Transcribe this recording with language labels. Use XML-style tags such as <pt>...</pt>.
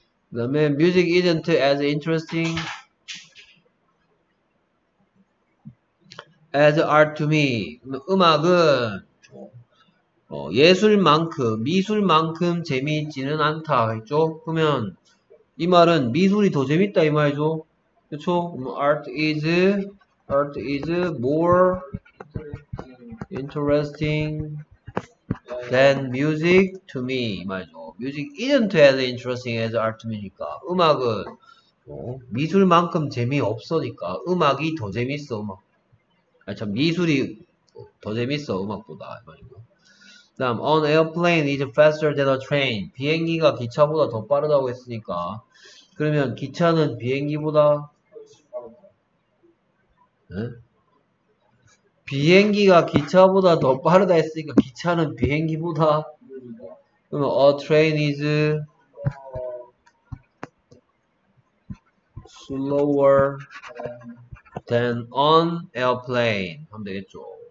<ko>그 다음에</ko> <en>music isn't as interesting as art to me.</en> <ko>음악은 예술만큼, 미술만큼 재미있지는 않다 했죠. 그러면 이 말은 미술이 더 재밌다 이 말이죠. 그쵸?</ko> <en>art is more interesting than music to me</en> <ko>이 말이죠.</ko> <en>music isn't as interesting as art to me니까</en> <ko>음악은 미술만큼 재미없으니까 음악이 더 재밌어. 음악. 아니 참 미술이 더 재밌어 음악보다. 다음</ko> <en>an airplane is faster than a train.</en> <ko>비행기가 기차보다 더 빠르다고 했으니까 그러면 기차는 비행기보다 비행기가 기차보다 더 빠르다 했으니까 기차는 비행기보다 그러면</ko> <en>a train is slower than an airplane</en> <ko>하면 되겠죠.</ko>